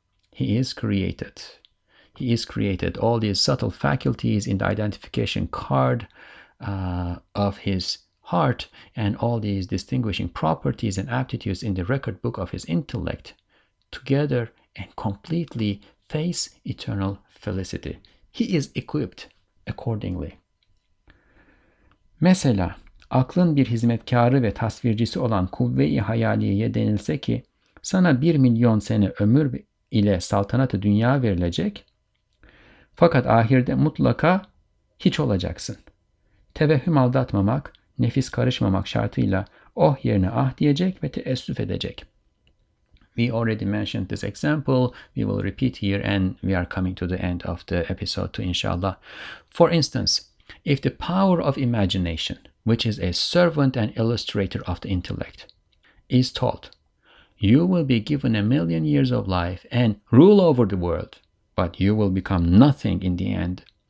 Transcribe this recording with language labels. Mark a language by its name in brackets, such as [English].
[English] He is created. He is created. All these subtle faculties in the identification card of his heart and all these distinguishing properties and aptitudes in the record book of his intellect together and completely face eternal felicity. He is equipped accordingly. [Turkish] Mesela, aklın bir hizmetkarı ve tasvircisi olan kuvve-i hayaliye denilse ki sana 1 milyon sene ömür ile saltanat-ı dünya verilecek. Fakat ahirde mutlaka hiç olacaksın. Tevehhüm aldatmamak, nefis karışmamak şartıyla oh yerine ah diyecek ve teessüf edecek. [English] We already mentioned this example. We will repeat here and we are coming to the end of the episode too, inshallah. For instance, if the power of imagination, which is a servant and illustrator of the intellect, is taught, you will be given a million years of life and rule over the world, but you will become nothing in the end.